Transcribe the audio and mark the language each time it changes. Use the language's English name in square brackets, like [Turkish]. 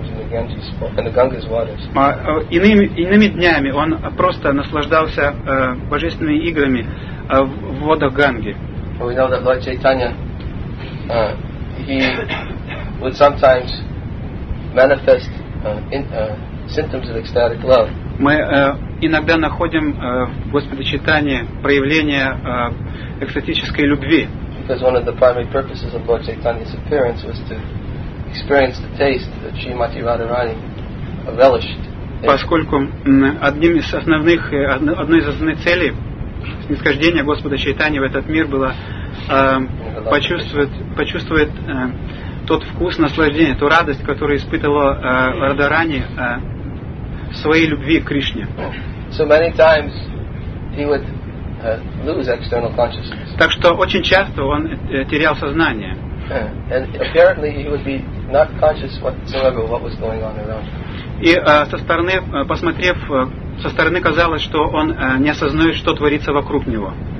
[Russian] Иными днями Он просто наслаждался божественными играми в водах Ганги. [English] We know that Lord Chaitanya, he would sometimes manifest symptoms of ecstatic love. [Russian] Мы иногда находим в Господе Чайтанье проявление экстатической любви. [English] Because one of the primary purposes of Lord Chaitanya's appearance was to experience the taste that Srimati Radharani relished. [Russian] Поскольку одним из основных одной из основных целей снисхождения Господа Чайтанья в этот мир было почувствовать тот вкус наслаждения, ту радость, которую испытывала Радхарани в своей любви к Кришне. [English] So many times he would lose external consciousness. [Russian] Так что очень часто он терял сознание. [English] And apparently he would be not conscious whatsoever what was going on around him. [Russian] И со стороны, посмотрев, со стороны казалось, что он не осознает, что творится вокруг него.